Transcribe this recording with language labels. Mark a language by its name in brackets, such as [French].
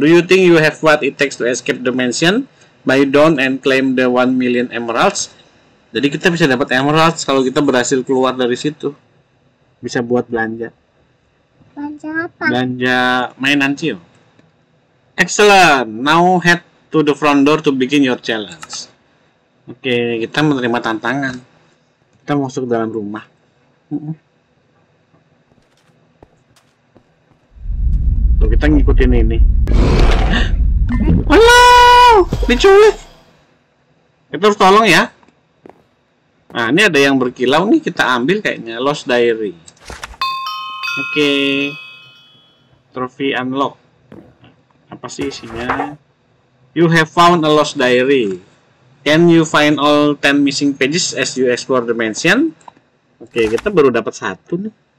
[English] Do you think you have what it takes to escape the mansion? Buy down and claim the 1 million emeralds. [Indonesian] Jadi kita bisa dapat emeralds kalau kita berhasil keluar dari situ. Bisa buat belanja. Belanja apa? Belanja mainan Cio. Excellent. [English] Now head to the front door to begin your challenge. [Indonesian] Oke, okay, kita menerima tantangan. Kita masuk ke dalam rumah. Tuh, kita ngikutin ini. Halo! Diculik! Kita harus tolong ya. Nah, ini ada yang berkilau nih. Kita ambil kayaknya. Lost Diary. Oke. Okay. [English] Trophy unlock. [Indonesian] Apa sih isinya? [English] You have found a lost diary. Can you find all 10 missing pages as you explore the mansion? [Indonesian] Oke, okay, kita baru dapat satu nih.